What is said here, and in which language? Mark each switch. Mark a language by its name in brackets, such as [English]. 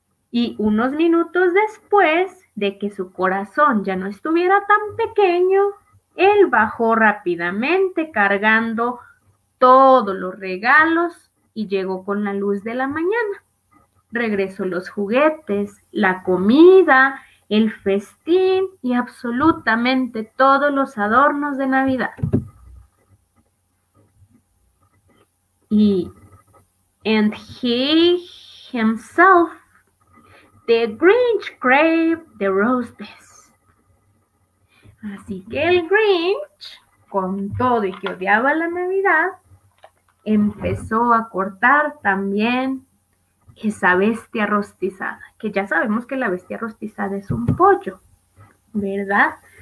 [Spanish] Y unos minutos después de que su corazón ya no estuviera tan pequeño, él bajó rápidamente cargando todos los regalos y llegó con la luz de la mañana. Regresó los juguetes, la comida, el festín y absolutamente todos los adornos de Navidad. [English] Y and he himself, the Grinch craved the roast. [Spanish] Así que el Grinch, con todo y que odiaba la Navidad, empezó a cortar también esa bestia rostizada, que ya sabemos que la bestia rostizada es un pollo, ¿verdad?